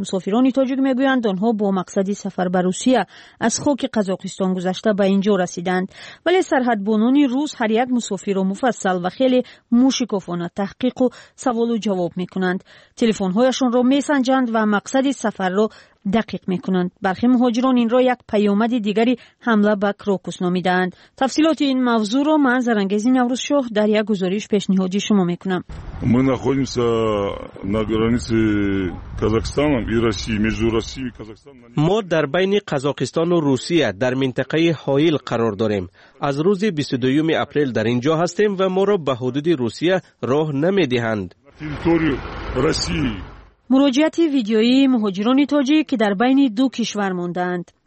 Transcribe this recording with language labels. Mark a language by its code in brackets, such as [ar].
[fa] مسافران تاجیک میگویند آنها با مقصد سفر به روسیه از خاک قزاقستان گذشته به اینجا رسیدند، ولی سرحدبانان روس هر یک مسافر را مفصل و خیلی موشکافانه تحقیق و سوال و جواب میکنند، تلفن هایشون را میسنجند و مقصد سفر را دقیق میکنند. برخی مهاجران این را یک پیامد دیگری حمله به کروکوس نامیدند. تفصیلات این موضوع را من زرنگزی نوروز شاه در یک گزارش پیشنهادی شما میکنم. [ru] ما находимся на границе Казахстана и России, между Россией и Казахстаном. [fa] ما در بین قزاقستان و روسیه در منطقه حائل قرار داریم. از روز 22 اپریل در اینجا هستیم و ما را به حدود روسیه راه نمیدهند. [ru] территорию России. [fa] مراجعات ویدیویی مهاجران تاجیک که در بین دو کشور ماندند.